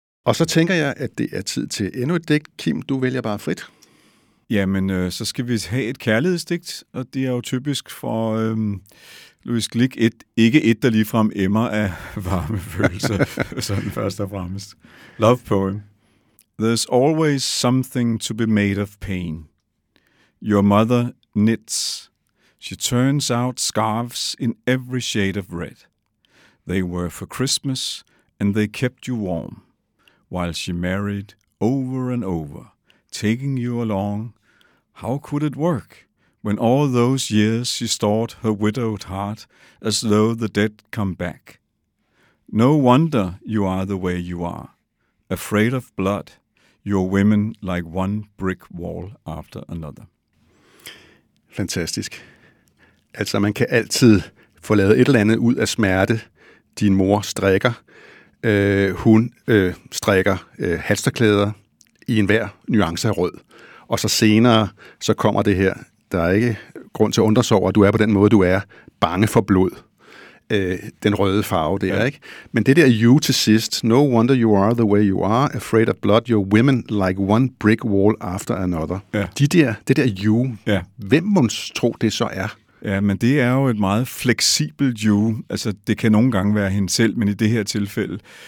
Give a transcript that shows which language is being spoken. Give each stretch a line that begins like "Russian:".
Danish: Og så tænker jeg, at det er tid til endnu et digt. Kim, du vælger bare frit. Jamen, så skal vi have et kærlighedsdigt, og det er jo typisk for Louise Glick, ikke et, der ligefrem emmer af varme følelser, sådan først og fremmest.
English: Love poem. There's always something to be made of pain. Your mother knits. She turns out scarves in every shade of red. They were for Christmas, and they kept you warm, while she married over and over, taking you along. How could it work, when all those years she stored her widowed heart as though the dead come back? No wonder you are the way you are, afraid of blood, your women like one brick wall after another.
Danish: Fantastisk. Altså, man kan altid få lavet et eller andet ud af smerte. Din mor strikker. Hun strikker halsterklæder i enhver nuance af rød. Og så senere, så kommer det her. Der er ikke grund til at undre sig over, at du er på den måde, du er. Bange for blod. Den røde farve, det er, ikke? Men det der you til sidst.
English: No wonder you are the way you are. Afraid of blood. Your women like one brick wall after another.
Danish: Ja. Det der you. Ja. Hvem måske tro, det så er? Ja, men det er jo et meget fleksibelt you. Altså, det kan nogle gange være hende selv, men i det her tilfælde.